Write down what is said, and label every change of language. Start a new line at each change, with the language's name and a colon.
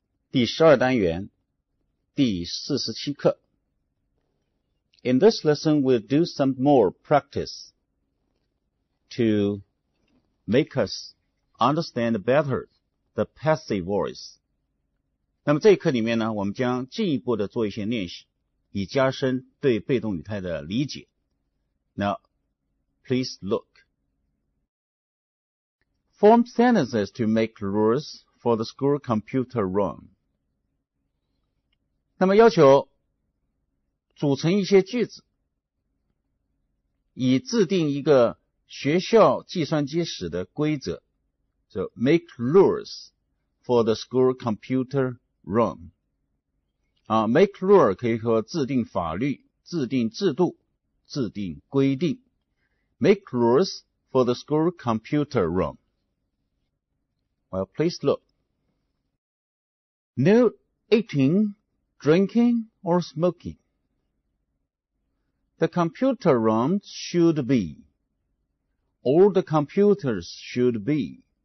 Chinese: 第十二单元，第四十七课。
English: In this lesson, we'll do some more practice to make us understand better the passive voice.
Chinese: 那么这一课里面呢，我们将进一步的做一些练习，以加深对被动语态的理解。
English: Now, please look. Form sentences to make rules for the school computer room.
Chinese: 那么要求组成一些句子，以制定一个学校计算机室的规则。
English: So make rules for the school computer room.
Chinese: 啊 ，
English: make rule
Chinese: 可以说制定法律、制定制度、制定规定。
English: Make rules for the school computer room. Well, please look. No eating, drinking, or smoking. The computer room should be. All the computers should be.